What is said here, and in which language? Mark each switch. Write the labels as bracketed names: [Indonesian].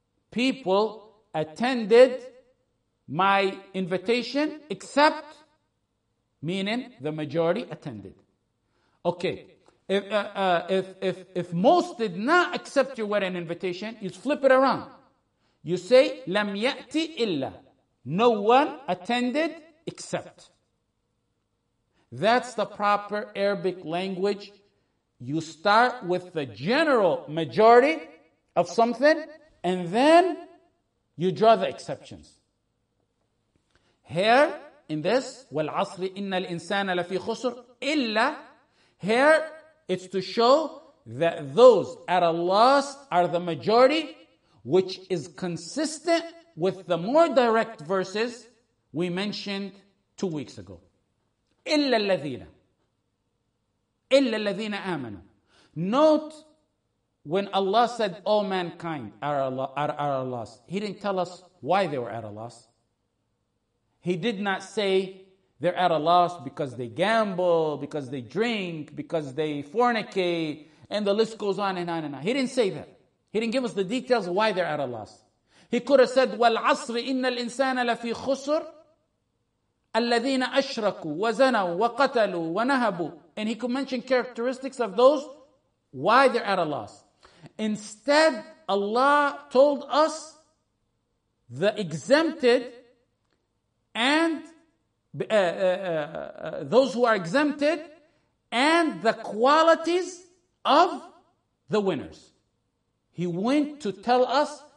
[English] People attended my invitation except, meaning the majority attended. Okay, if most did not accept your wedding invitation, you flip it around. You say [Arabic] لَمْ يَأْتِ إِلَّا. [English] No one attended except. That's the proper Arabic language. You start with the general majority of something and then you draw the exceptions. Here, in this, [Arabic] وَالْعَصْرِ إِنَّ الْإِنسَانَ لَفِي خُسُرْ إِلَّا. [English] Here, it's to show that those at a loss are the majority, which is consistent with the more direct verses we mentioned 2 weeks ago. [Arabic] إِلَّا الَّذِينَ. إِلَّا الَّذِينَ آمَنُوا. [English] Note, when Allah said, all mankind are at a loss, He didn't tell us why they were at a loss. He did not say they're at a loss because they gamble, because they drink, because they fornicate, and the list goes on and on and on. He didn't say that. He didn't give us the details why they're at a loss. He could have said, [Arabic] وَالْعَصْرِ إِنَّ الْإِنسَانَ لَفِي خُسُرْ الَّذِينَ أَشْرَكُوا وَزَنَوا وَقَتَلُوا وَنَهَبُوا. [English] And he could mention characteristics of those, why they're at a loss. Instead, Allah told us the exempted and those who are exempted and the qualities of the winners. He went to tell us